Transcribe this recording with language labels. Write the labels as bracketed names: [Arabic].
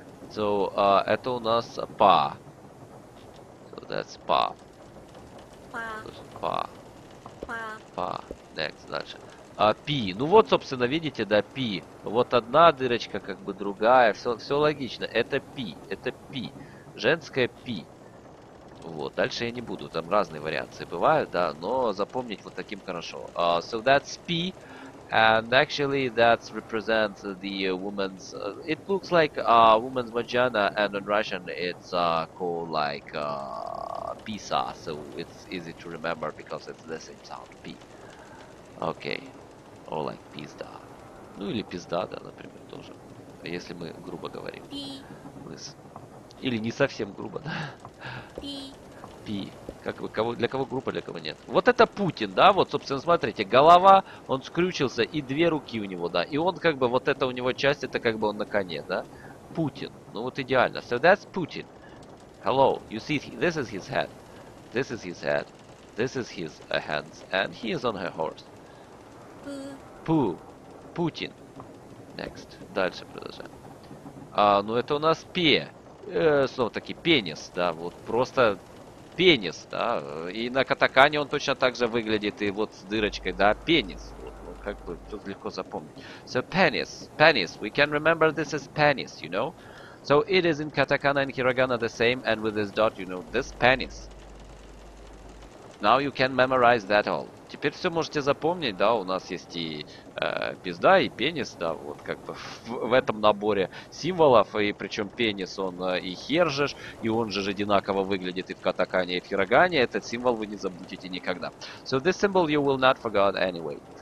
[Russian] So это у нас па. [English] So that's па. [Russian] Па. Па. Next, дальше. А пи. Ну вот, собственно, видите, да, пи. Вот одна дырочка, как бы другая. Все логично. Это пи. Это пи. Женское пи. Вот, дальше я не буду. Там разные вариации бывают, да, но запомнить вот таким хорошо. [English] So that's P. And actually that represents the woman's it looks like a woman's vagina, and in Russian it's called like pisa, so it's easy to remember because it's the same sound, P. Okay. Or like pizda. [Russian] Ну или пизда, да, например, тоже. Если мы грубо говорим. Или не совсем грубо, да? Пи. Как бы, кого, для кого группа, для кого нет. Вот это Путин, да? Вот, собственно, смотрите, голова, он скрючился, и две руки у него, да? И он, как бы, вот это у него часть, это как бы он на коне, да? Путин. Ну вот идеально. [English] So that's Putin. Hello. You see, this is his head. This is his head. This is his hands. And he is on her horse. Пу. Путин. Next. [Russian] Дальше продолжаем. А, ну это у нас пе. Снова-таки пенис, да, вот просто пенис, да, и на катакане он точно так же выглядит, и вот с дырочкой, да, пенис, вот, вот как бы тут легко запомнить. [English] So, penis, penis, we can remember this as penis, you know? So, it is in katakana and hiragana the same, and with this dot, you know, this penis. Now you can memorize that all. [Russian] Теперь все можете запомнить, да, у нас есть и пизда, и пенис, да, вот как бы в этом наборе символов, и причем пенис, он и хер же, и он же одинаково выглядит и в катакане, и в хирогане, этот символ вы не забудете никогда. [English] So this symbol you will not forget anyway.